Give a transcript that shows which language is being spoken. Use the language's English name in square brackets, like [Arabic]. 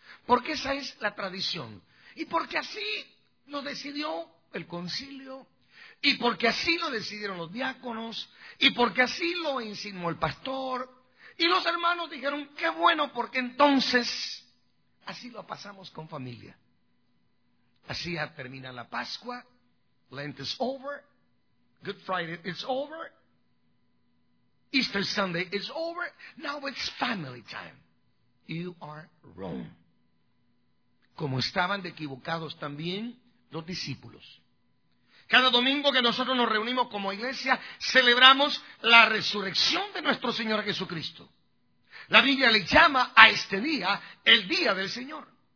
[Spanish] Porque esa es la tradición. Y porque así lo decidió el concilio, y porque así lo decidieron los diáconos, y porque así lo insinuó el pastor, y los hermanos dijeron, qué bueno, porque entonces así lo pasamos con familia. Así ya termina la Pascua, [English] Lent is over, Good Friday is over, Easter Sunday is over, now it's family time. You are wrong. [Spanish] Como estaban de equivocados también los discípulos. Cada domingo que nosotros nos reunimos como iglesia, celebramos la resurrección de nuestro Señor Jesucristo. La Biblia le llama a este día el día del Señor.